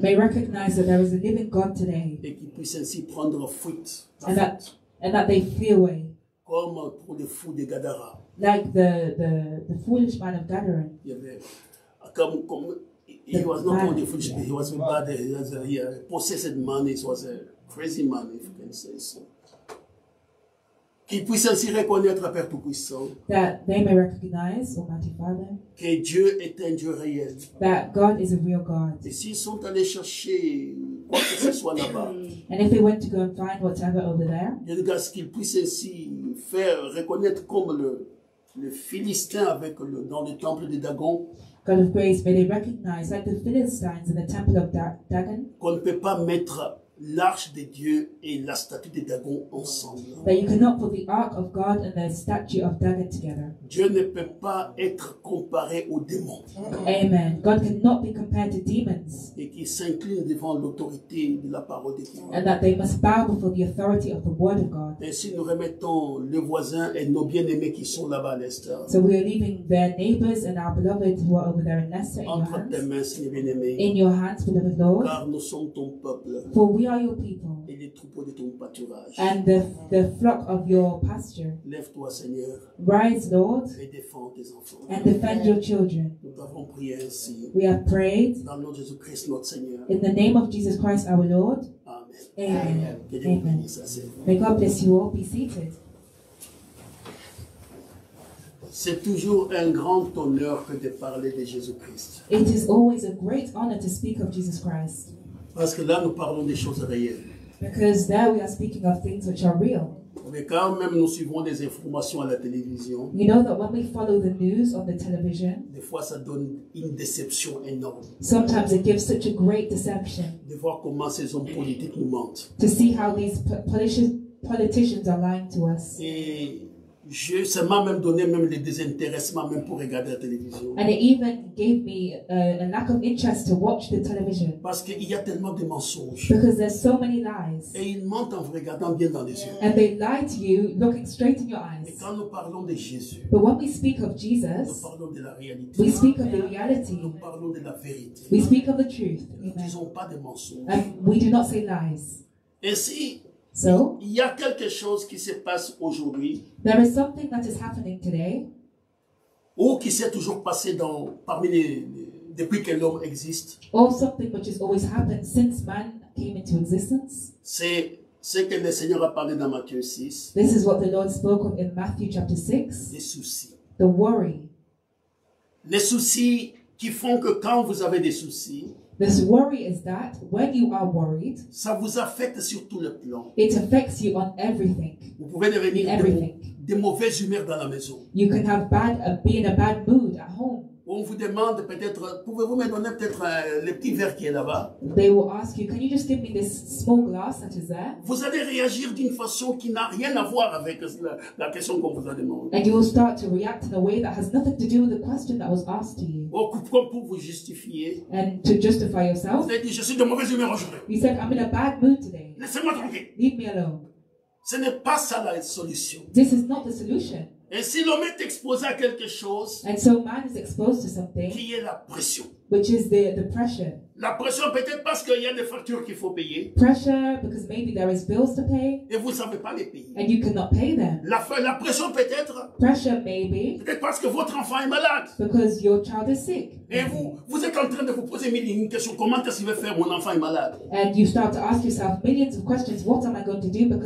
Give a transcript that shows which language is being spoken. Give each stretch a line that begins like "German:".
English: May recognize that there is a living God today.
French: Et qu'il puisse ainsi prendre fruit.
English: And that they flee away.
French: Comme pour le fou de Gadara.
English: Like the foolish man of Gadara. Yeah, he was not only foolish, yeah. He was a bad, he possessed money, he was a crazy man, if you can say so.
French: Qu'ils puissent ainsi reconnaître, Père Tout-Puissant,
English: that they may recognize, Almighty Father,
French: que Dieu est un Dieu réel.
English: That God is a real God.
French: Et s'ils sont allés chercher quoi que ce soit là-bas,
English: and if they went to go and find whatever over there,
French: Dieu de grâce, qu'ils puissent ainsi faire reconnaître comme le Philistin avec le, dans le temple de Dagon,
English: God of grace, may they recognize, like the Philistines in the temple of Dagon,
French: qu'on ne peut pas mettre l'arche de Dieu et la statue de Dagon ensemble.
English: That you cannot put the ark of God and the statue of Dagon together.
French: Dieu ne peut pas être comparé aux démons.
English: Amen. God cannot be compared to demons.
French: Et qu'ils s'inclinent devant l'autorité de la parole de Dieu.
English: And that they must bow before the authority of the word of God.
French: Ainsi nous remettons le voisin et nos bien-aimés qui sont là-bas à Leicester.
English: So we are leaving their neighbors and our beloved who are over there in Leicester in
French: entre tes mains, les bien-aimés.
English: In your hands, beloved Lord.
French: Car nous sommes ton peuple.
English: For we are your people.
French: Et les troupeaux de ton pâturage.
English: And the flock of your pasture.
French: Lève-toi, Seigneur.
English: Rise, Lord.
French: Et défends tes enfants.
English: And defend your children.
French: Nous avons prié ainsi.
English: We have prayed.
French: Dans le nom de Jésus Christ, notre Seigneur.
English: In the name of Jesus Christ, our Lord. Amen. Amen. Amen. May God bless you all. Be seated.
French: C'est toujours un grand honneur que de parler de Jésus Christ.
English: It is always a great honor to speak of Jesus Christ.
French: Parce que là, nous parlons des choses réelles.
English: Because there we are speaking of things which are real.
French: Mais quand même nous suivons des informations à la télévision,
English: you know that when we follow the news on the television,
French: des fois ça donne une déception énorme.
English: Sometimes it gives such a great deception.
French: De voir comment ces hommes politiques nous mentent.
English: To see how these politicians are lying to us.
French: Ça m'a même donné même des désintéressements même pour regarder la télévision.
English: And it even gave me a lack of interest to watch the television.
French: Parce qu'il y a tellement de mensonges.
English: Because there's so many lies.
French: Et ils mentent en vous regardant bien dans les yeux.
English: And they lie to you looking straight in your eyes.
French: Et quand nous parlons de Jésus,
English: but when we speak of Jesus,
French: nous parlons de la réalité.
English: We speak of the reality.
French: Nous parlons de la vérité.
English: We speak of the truth.
French: Nous ne disons pas de mensonges.
English: And we do not say lies.
French: Et si
English: so,
French: il y a quelque chose qui se passe aujourd'hui.
English: There is something that is happening today.
French: Ou qui s'est toujours passé dans parmi les depuis que l'homme existe.
English: Or something which has always happened since man came into existence.
French: C'est ce que le Seigneur a parlé dans Matthieu 6.
English: This is what the Lord spoke of in Matthew chapter 6.
French: Les soucis.
English: The worry.
French: Les soucis qui font que quand vous avez des soucis,
English: this worry is that when you are worried,
French: ça vous affecte sur tout le plan.
English: It affects you on everything.
French: Vous pouvez devenir de mauvaise humeur dans la maison.
English: You can have bad, be in a bad mood at home.
French: On vous demande peut-être, pouvez-vous me donner peut-être le petit verre qui est là-bas?
English: They will ask you, can you just give me this small glass that is there?
French: Vous allez réagir d'une façon qui n'a rien à voir avec la question qu'on vous a demandé.
English: And you will start to react in a way that has nothing to do with the question that was asked to you.
French: Oh, comme pour vous justifier.
English: And to justify yourself.
French: Vous avez dit, je suis de mauvaise humeur aujourd'hui.
English: You said, I'm in a bad mood today.
French: Laissez-moi tranquille.
English: Leave me alone.
French: Ce n'est pas ça la solution.
English: This is not the solution.
French: Et si l'homme est exposé à quelque chose,
English: and so man is exposed to something,
French: qui est la pression,
English: Which is the pressure.
French: La pression peut-être parce qu'il y a des factures qu'il faut payer.
English: Pressure because maybe there is bills to pay.
French: Et vous savez pas les payer.
English: And you cannot pay them.
French: La pression peut-être.
English: Pressure maybe.
French: Peut-être parce que votre enfant est malade.
English: Because your child is sick.
French: Et vous êtes en train de vous poser une question, comment est-ce qu'il va faire, mon enfant est malade.
English: And you start to ask yourself millions of questions, what am I going to do because